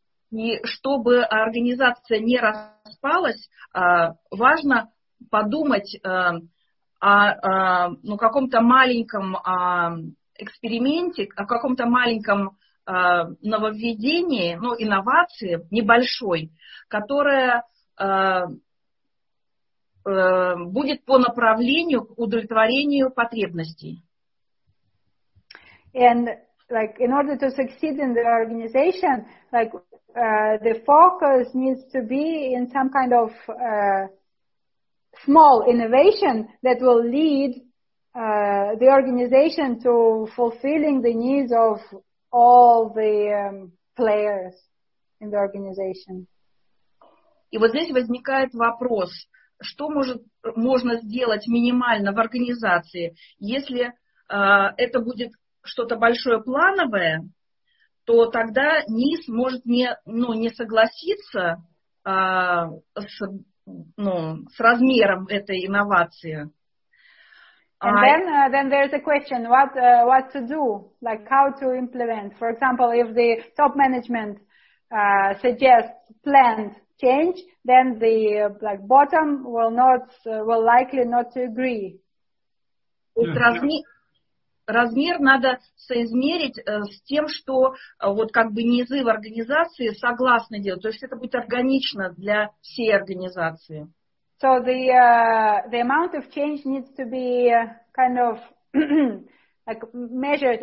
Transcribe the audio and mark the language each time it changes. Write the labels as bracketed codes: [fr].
[ru] И чтобы организация не распалась, важно подумать о каком-то маленьком эксперименте, о каком-то маленьком нововведении, ну, инновации небольшой, которая будет по направлению к удовлетворению потребностей. [en] And like in order to succeed in the organization, like the focus needs to be in some kind of small innovation that will lead the organization to fulfilling the needs of all the players in the organization. [ru] И вот здесь возникает вопрос, что может, можно сделать минимально в организации, если это будет что-то большое плановое, то тогда НИС может не согласиться с размером этой инновации. [en] And then there is a question, what to do, like how to implement. For example, if the top management suggests planned change, then the like bottom will likely not to agree. [ru] Размер надо соизмерить с тем, что вот как бы низы в организации согласны делать. То есть это будет органично для всей организации. [en] So the amount of change needs to be kind of like measured.